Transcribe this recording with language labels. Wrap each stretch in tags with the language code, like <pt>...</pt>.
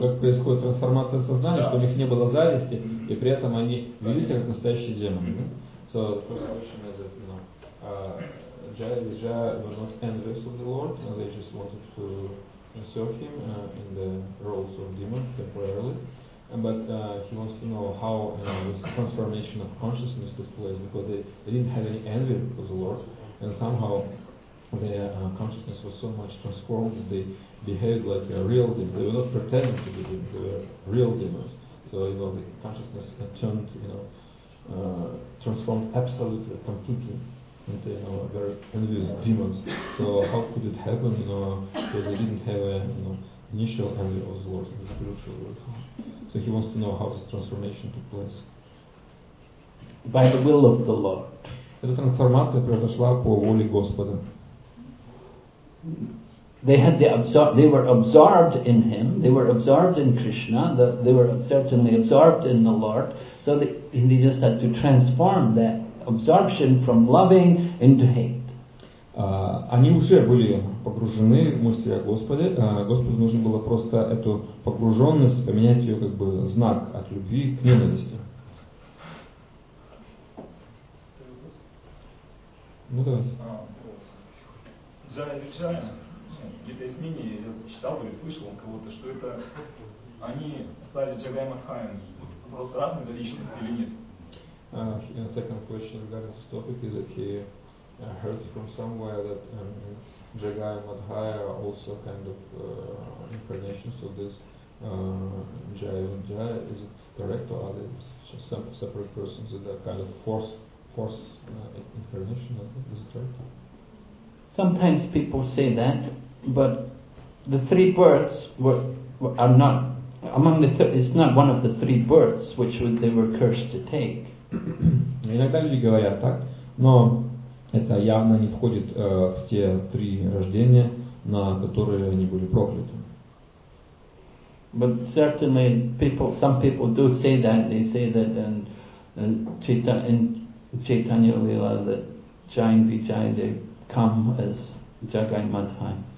<ru>Как происходит трансформация сознания, что у них не было зависти, и при этом они вели себя как настоящие демоны?</ru> <en>So, the first question is that, you know, Jaya were not envious of the Lord, they just wanted to serve him in the roles of demon temporarily. But he wants to know how this transformation of consciousness took place, because they didn't have any envy of the Lord, and somehow their consciousness was so much transformed that they behaved like a real demon. They were not pretending to be demons, they were real demons. So, you know, the consciousness had turned, you know, transformed absolutely, completely into, you know, a very envious demons. So how could it happen, you know, because they didn't have a, you know, initial envy of the Lord, the spiritual world. So he wants to know how this transformation took place. By the will of the Lord.</en> <ru>Эта трансформация произошла по воле Господа.</ru> <en>They had the they were absorbed in him, they were absorbed in Krishna, they were certainly absorbed in the Lord, so they just had to transform that absorption from loving into hate.</en> <ru>Они уже были погружены в мысли о Господе. Господу нужно было просто эту погруженность поменять ее как бы знак от любви к ненависти. Ну давайте. Джая Виджая, где-то есть мнение, я читал или слышал у кого-то, что это они стали Джагай Мадхаем. Вот вопрос разный для личности или нет?</ru> <en>Second question regarding this topic is that he heard from somewhere that Jagai Madhaya are also kind of incarnations of this Jaya Vijaya. Is it correct or are they some separate persons that are kind of force incarnation? Is it correct? Sometimes people say that, but the three births are not among the. It's not one of the three births which they were cursed to take.</en> <ru>Иногда люди говорят так, но это явно не входит в те три рождения, на которые они были прокляты.</ru> <en>But certainly, some people do say that. They say that in Chaitanya Lila that Jai and Vijay they come as Jagai Madhai.</en>